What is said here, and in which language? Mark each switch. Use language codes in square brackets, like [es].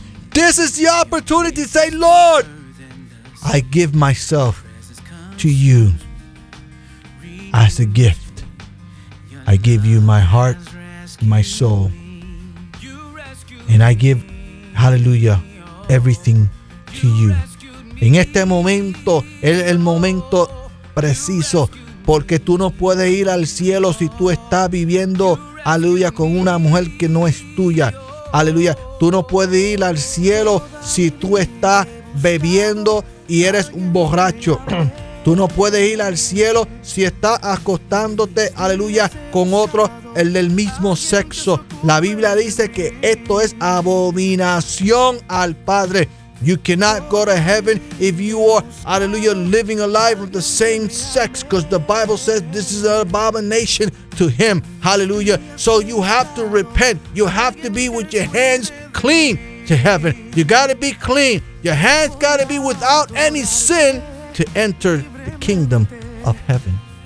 [en] This is the opportunity to say, Lord, I give myself to you as a gift. I give you my heart, my soul, and I give, hallelujah, everything to you. [es] En este momento, es el momento preciso, porque tú no puedes ir al cielo si tú estás viviendo, aleluya, con una mujer que no es tuya. Aleluya, tú no puedes ir al cielo si tú estás bebiendo y eres un borracho. Tú no puedes ir al cielo si estás acostándote, aleluya, con otro, el del mismo sexo. La Biblia dice que esto es abominación al Padre. [en] You cannot go to heaven if you are, hallelujah, living a life of the same sex, because the Bible says this is an abomination to him. Hallelujah. So you have to repent. You have to be with your hands clean to heaven. You got to be clean. Your hands got to be without any sin to enter the kingdom of heaven.